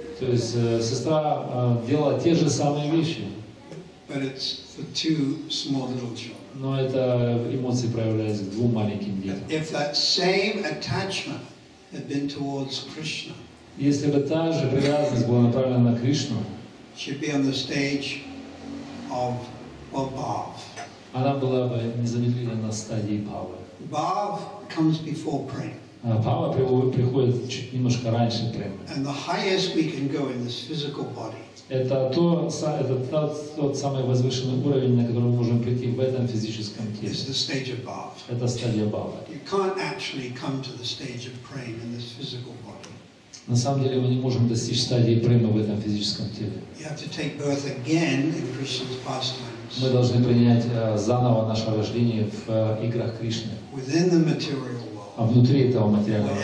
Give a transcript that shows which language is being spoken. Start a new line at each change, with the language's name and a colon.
Russian: То есть сестра делала те же самые вещи.
English: But it's for 2 small little children.
Russian: Но это эмоции проявляются к 2 маленьким детям.
English: If that same attachment had been towards Krishna.
Russian: Если бы та же привязанность была направлена на Кришну,
English: she'd be on the stage of above.
Russian: Она была бы незамедлительно на стадии Бхавы.
English: Bhav comes before prema.
Russian: Бхава приходит немножко раньше премы.
English: And the highest we can go in this physical body.
Russian: Это тот самый возвышенный уровень, на который мы можем прийти в этом физическом теле.
English: It's the stage of Bhav.
Russian: Это стадия Бхавы.
English: You can't actually come to the stage of prema in this physical body.
Russian: На самом деле мы не можем достичь стадии премы в этом физическом теле.
English: You have to take birth again in Krishna's pastime.
Russian: Мы должны принять заново наше рождение в играх Кришны.
English: Within the material world.
Russian: А внутри этого материального мира.